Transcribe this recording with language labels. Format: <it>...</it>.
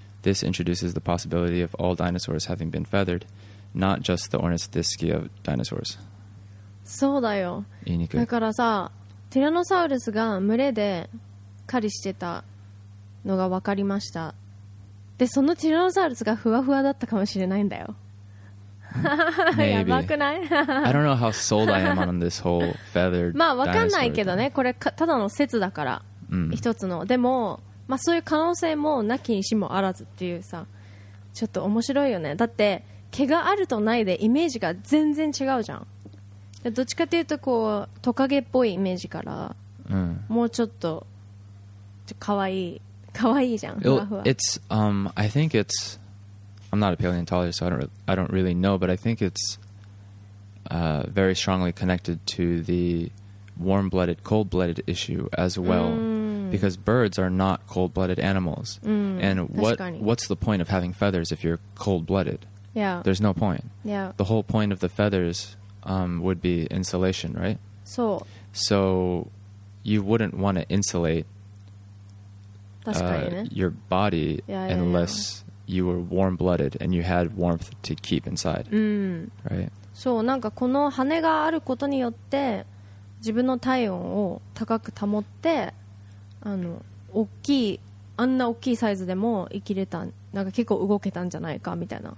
<en>This introduces the possibility of all dinosaurs having been feathered. Not just the Ornithischia dinosaurs.</en> <ja>そうだよ。言いにくい。だからさ、ティラノサウルスが群れで狩りしてたのが分かりました。で、そのティラノサウルスがふわふわだったかもしれないんだよ。</ja> <en>Maybe.</en> <ja>やばくない？</ja> <en>I don't know how sold I am on this whole feathered dinosaur.</en> <ja>まあ、分かんないけどね。これただの説だから。 Mm. 一つの。でも、まあ、そういう可能性もなきにしもあらずっていうさ、ちょっと面白いよね。だって、毛があるとないでイメージが全然違うじゃん。どっちかというとこうトカゲっぽいイメージから、もうちょっとかわいい、かわいいじゃん。</ja> <en>It's I think it's I'm not a paleontologist, so I don't really know, but I think it's very strongly connected to the warm-blooded, cold-blooded issue as well, because birds are not cold-blooded animals. And what's the point of having feathers if you're cold-blooded? Yeah. There's no point. Yeah. The whole point of the feathers would be insulation, right? So. So you wouldn't want to insulate your body unless you were warm-blooded and you had warmth to keep inside. Right?</en> <ja>そう、なんかこの羽があることによって自分の体温を高く保って、あの大きい、あんな大きいサイズでも生きれた、なんか結構動けたんじゃないかみたいな。</ja>